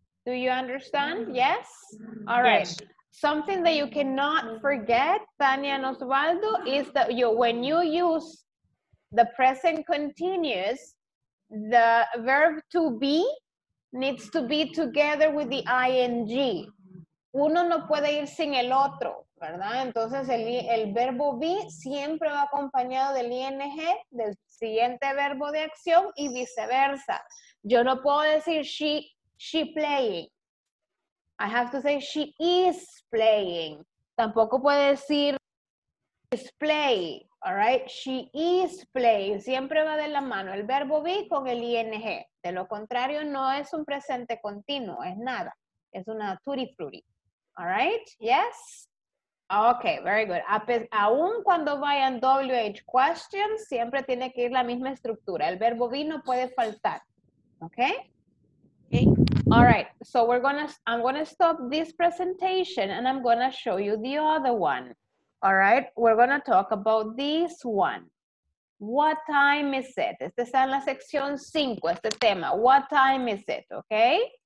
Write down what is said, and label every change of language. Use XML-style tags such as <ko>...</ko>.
<en>Do you understand? Yes? All right. Yes. Something that you cannot forget, Tania and Osvaldo, is that you, when you use the present continuous, the verb to be needs to be together with the ing.</en> <es>Uno no puede ir sin el otro, ¿verdad? Entonces el verbo be siempre va acompañado del ing, del siguiente verbo de acción y viceversa. Yo no puedo decir</es> <en>she playing. I have to say she is playing.</en> <es>Tampoco puede decir</es> <en>is play, all right? She is playing.</en> <es>Siempre va de la mano el verbo be con el ing. De lo contrario, no es un presente continuo, es nada. Es una tutti frutti.</es> <en>All right? Yes? Okay, very good.</en> <es>Aún cuando vayan WH questions, siempre tiene que ir la misma estructura. El verbo be no puede faltar. Okay? Okay.</es> <en>All right, so I'm gonna stop this presentation and I'm gonna show you the other one. All right, we're gonna talk about this one. What time is it?</en> <es>Este está en la sección 5, este tema.</es> <en>What time is it, okay?</en>